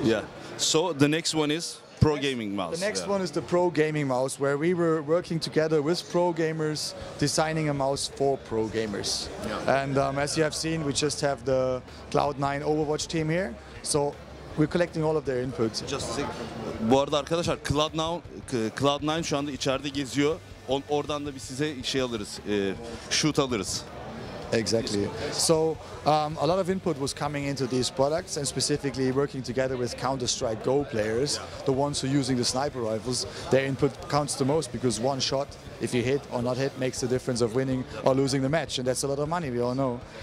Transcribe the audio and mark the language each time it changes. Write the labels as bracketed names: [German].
[English] Yeah. So the next one is Pro Gaming Mouse. The next one is the Pro Gaming Mouse, where we were working together with pro gamers, designing a mouse for pro gamers. Yeah. And as you have seen, we just have the Cloud9 Overwatch team here. So we're collecting all of their inputs. Just sick. [Turkish] Bu arada arkadaşlar, Cloud9 şu anda içeride geziyor. Oradan da bir size şey alırız, shoot alırız. [English] Exactly. So a lot of input was coming into these products, and specifically working together with Counter-Strike GO players, the ones who are using the sniper rifles, their input counts the most, because one shot, if you hit or not hit, makes the difference of winning or losing the match, and that's a lot of money, we all know.